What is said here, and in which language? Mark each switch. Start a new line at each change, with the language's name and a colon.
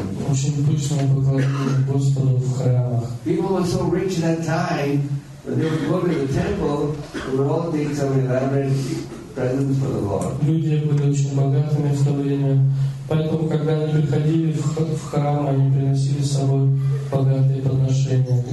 Russian: Очень пышное поклонение Господу в храмах.
English: People were so rich at that time that they would go to the temple and would all take some elaborate presents for the Lord.
Russian: Люди были очень богатыми в то время, поэтому когда они приходили в храм, они приносили с собой богатые подношения.